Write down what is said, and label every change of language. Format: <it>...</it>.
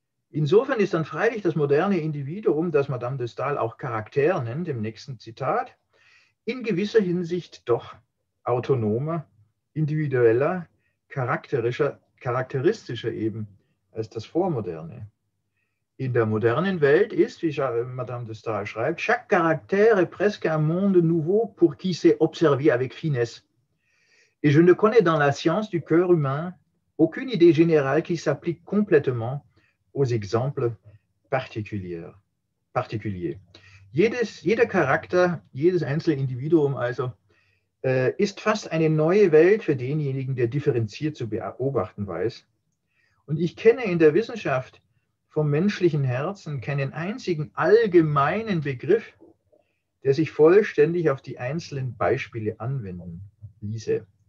<de>Insofern ist dann freilich das moderne Individuum, das Madame de Stael auch Charakter nennt, im nächsten Zitat, in gewisser Hinsicht doch autonomer, individueller, charakteristischer eben als das Vormoderne. In der modernen Welt ist, wie Madame de Stael schreibt,</de> <fr>chaque caractère est presque un monde nouveau pour qui s'est observé avec finesse. Et je ne connais dans la science du cœur humain aucune idée générale qui s'applique complètement aux exemples particuliers.</fr> <de>Jeder Charakter, jedes einzelne Individuum also, ist fast eine neue Welt für denjenigen, der differenziert zu beobachten weiß. Und ich kenne in der Wissenschaft vom menschlichen Herzen keinen einzigen allgemeinen Begriff, der sich vollständig auf die einzelnen Beispiele anwenden ließe.</de>